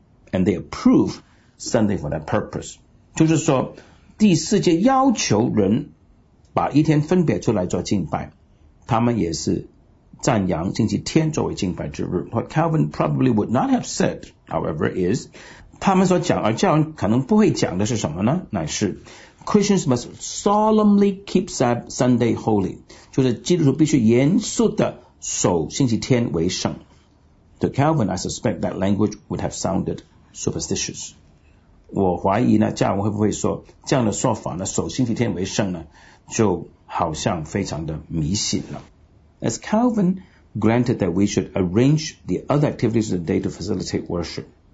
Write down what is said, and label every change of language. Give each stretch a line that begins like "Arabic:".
English: and they approve Sunday for that purpose
Chinese: 就是说第四诫要求人把一天分别出来做敬拜他们也是赞扬星期天作为敬拜之日
English: What Calvin probably would not have said however is
Chinese: 他们所讲而加尔文可能不会讲的是什么呢乃是
English: Christians must solemnly keep Sunday holy.
Chinese: 就是基督徒必须严肃地守星期天为圣。
English: To Calvin, I suspect that language would have sounded superstitious.
Chinese: 我怀疑呢，加尔文会不会说，这样的说法呢，守星期天为圣呢，就好像非常的迷信了。
English: As Calvin granted that we should arrange the other activities of the day to facilitate worship.